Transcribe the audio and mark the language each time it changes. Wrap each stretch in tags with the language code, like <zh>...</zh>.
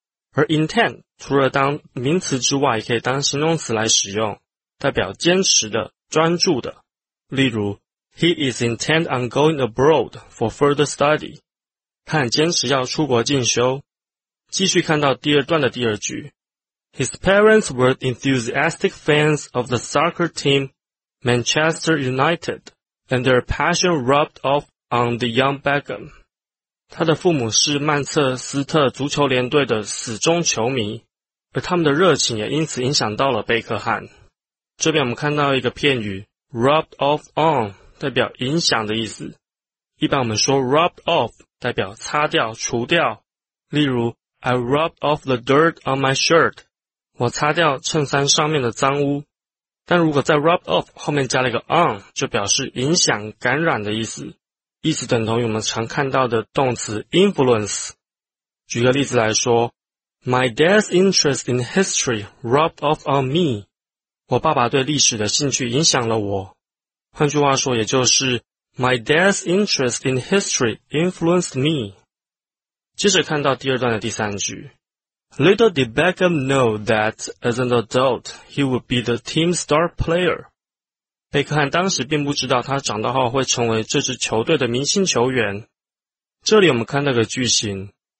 <zh>而 intent 除了当名词之外，也可以当形容词来使用，代表坚持的、专注的。例如</zh> <en>He is intent on going abroad for further study.</en> <zh>他很坚持要出国进修。继续看到第二段的第二句。</zh> <en>His parents were enthusiastic fans of the soccer team Manchester United, and their passion rubbed off on the young Beckham.</en> <zh>他的父母是曼彻斯特足球联队的死忠球迷，而他们的热情也因此影响到了贝克汉。这边我们看到一个片语</zh> <en>rubbed off on。</en> <zh>代表影响的意思。一般我们说</zh> <en>rubbed off</en> <zh>代表擦掉、除掉。例如</zh> <en>I rubbed off the dirt on my shirt，</en> <zh>我擦掉衬衫上面的脏污。但如果在</zh> <en>rubbed off</en> <zh>后面加了一个 on， 就表示影响、感染的意思，意思等同于我们常看到的动词 influence。举个例子来说，</zh> <en>My dad's interest in history rubbed off on me，</en> <zh>我爸爸对历史的兴趣影响了我。换句话说，也就是</zh> <en>My dad's interest in history influenced me.</en> <zh>接着看到第二段的第三句。</zh> <en>Little did Beckham know that as an adult, he would be the team's star player.</en> <zh>贝克汉当时并不知道他长大后会成为这支球队的明星球员。这里我们看到个句型</zh>